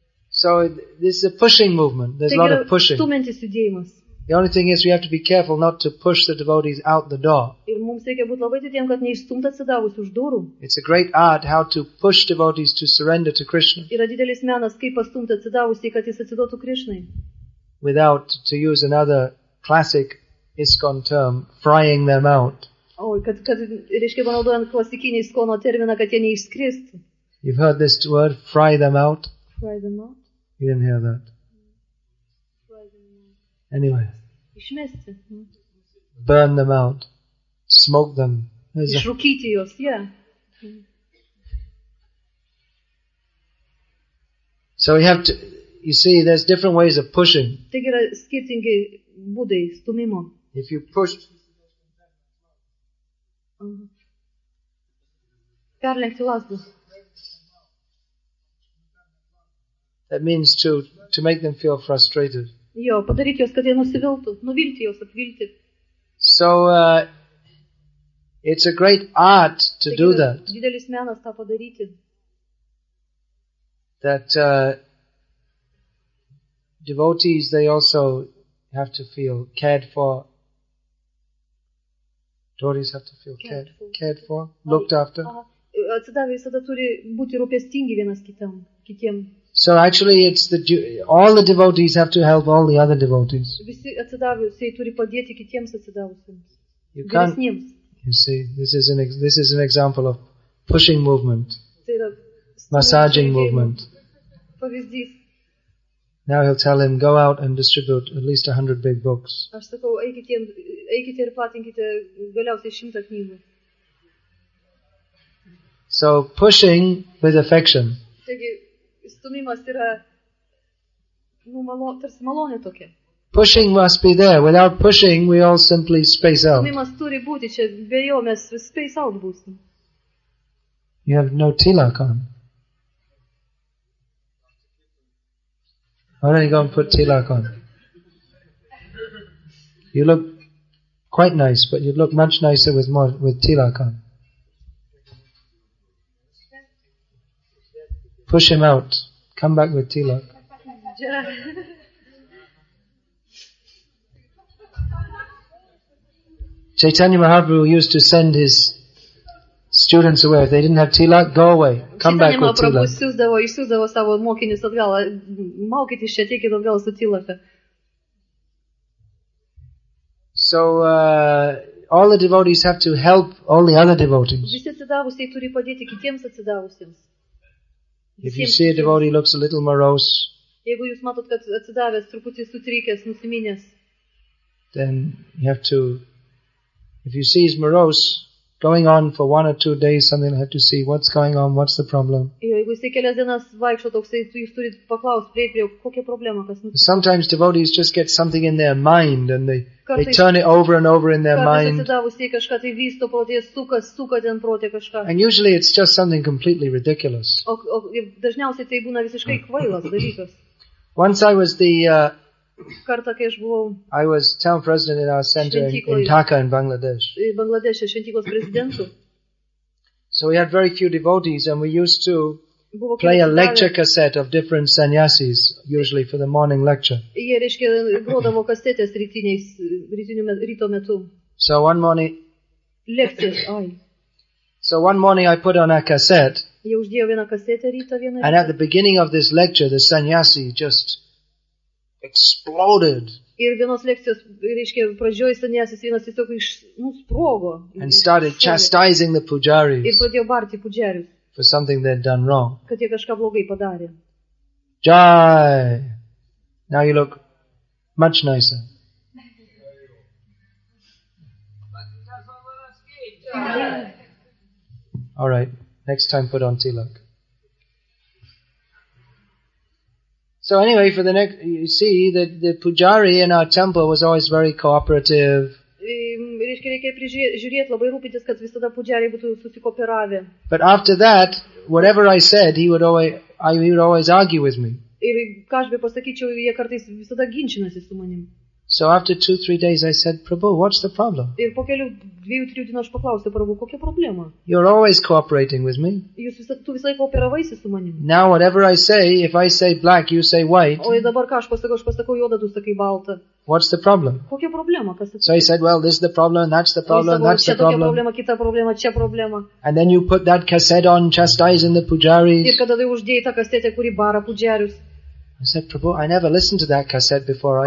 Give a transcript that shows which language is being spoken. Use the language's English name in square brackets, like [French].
[English] So this is a pushing movement. There's a lot of pushing. The only thing is we have to be careful not to push the devotees out the door. [Lithuanian] Ir mums reikia būti labai didiem, kad neišstumt atsidavus už durų. [English] It's a great art how to push devotees to surrender to Krishna. [Lithuanian] Yra didelis menas, kaip pastumti atsidavus, kad jis atsiduotų Krishnai. [English] Without, to use another classic ISKCON term, frying them out. [Lithuanian] O, kad reiškia, panaudojant klasikinį ISKCON terminą, kad jie neišskristų. [English] You've heard this word, fry them out. Fry them out. You didn't hear that. Anyway, [Lithuanian] išmesti. [English] Burn them out, smoke them. [Lithuanian] Išrūkyti juos, [English] yeah. So we have to, you see, there's different ways of pushing. [Lithuanian] Taigi yra skirtingi būdai stumimo. [English] If you push, [Lithuanian] perlenkti lazdą. [English] That means to make them feel frustrated. [Lithuanian] Jo, padaryti juos, kad jie nusiviltų, nuvilti juos, apvilti. [English] So, it's a great art to do that. [Lithuanian] Didelis menas tą padaryti. [English] That devotees, they also have to feel cared for. Devotees have to feel cared for, looked after. [Lithuanian] Atsidavę visada turi būti rūpestingi vienas kitam, kitiem. [English] So actually it's all the devotees have to help all the other devotees. [Lithuanian] Visi atsidavusieji turi padėti kitiems atsidavusiems. [English] You see, this is an example of pushing movement. [Lithuanian] Tai yra [English] massaging movement. [Lithuanian] Pavyzdys. [English] Now he'll tell him, go out and distribute at least 100 big books. [Lithuanian] Aš sakau, eikite ir platinkite galiausiai 100 knygų. [English] So pushing with affection. [Lithuanian] Stumimas yra tarsi malonė tokia. [English] Pushing must be there. Without pushing, we all simply space out. [Lithuanian] Stumimas turi būti čia, be jo mes [English] space out [Lithuanian] būsim. [English] You have no tilak on. Why don't you go and put tilak on? You look quite nice, but you look much nicer with tilak on. Push him out. Come back with tilak. Chaitanya Mahaprabhu used to send his students away. If they didn't have tilak, go away. Come back with tilak. [Lithuanian] Išsiųsdavo savo mokinius atgal. Maukitės čia, ateikit atgal su tilaka. [English] So all the devotees have to help all the other devotees. [Lithuanian] Visi atsidavusieji turi padėti kitiems atsidavusiems. [English] If you see a devotee looks a little morose, [Lithuanian] jeigu jūs matot, kad atsidavęs truputį sutrikęs, nusiminęs, [English] then you have to, if you see he's morose, going on for one or two days, something, you have to see what's going on, what's the problem. [Lithuanian] Jeigu jis kelias dienas vaikšto toks, jūs turit paklausti, prieit, kokia problema, kas nutiko. [English] Sometimes devotees just get something in their mind and they turn it over and over in their mind. And usually it's just something completely ridiculous. [Lithuanian] O dažniausiai tai būna visiškai kvailas dalykas. [English] Once I was [Lithuanian] kartą, kai aš buvau, [English] I was town president in our center in Dhaka in Bangladesh. [Lithuanian] In Bangladesh, šventyklos prezidentu. [English] So we had very few devotees and we used to play a lecture cassette of different sannyasis, usually for the morning lecture. [Lithuanian] Jie, reiškia, grodavo kasetės ryto metu. [English] So one morning, lectures, ai. So one morning I put on a cassette. [Lithuanian] Jie uždėjo vieną kasetę ryto vieną. [English] And at the beginning of this lecture, the sannyasi just exploded. [Lithuanian] Ir vienos lekcijos, reiškia, pradžioj sannyasis vienas tiesiog sprogo. [English] And started chastising the pujaris. [Lithuanian] Ir pradėjo barti pujarius. [English] For something they'd done wrong. [Lithuanian] Kad jie kažką blogai padarė. [English] Jai! Now you look much nicer. All right, next time put on tilak. So anyway, for the next, you see that the pujari in our temple was always very cooperative. But after that, whatever I said, he would always argue with me. [Lithuanian] Ir kažbe pasakyčiau, jie kartais visada ginčinasi su manim. [English] So after 2-3 days I said, Prabhu, what's the problem? [Lithuanian] Ir po kelių 2-3 dienų aš paklausiau, Prabhu, kokia problema? [English] You're always cooperating with me. [Lithuanian] Jūs visai kooperavaisi su manimi. [English] Now whatever I say, if I say black, you say white. [Lithuanian] O dabar ką aš pasakau juodą, tu sakai baltą. [English] What's the problem? [Lithuanian] Kokia problema? [English] So he said, well, this is the problem, that's the problem, that's the problem. [Lithuanian] Problema, kita problema, čia problema. [English] And then you put that cassette on, chastising the pujaris. [Lithuanian] Ir kada tai uždėjai tą kasetę, kuri bara pujarius. [English] I said, Prabhu, I never listened to that cassette before.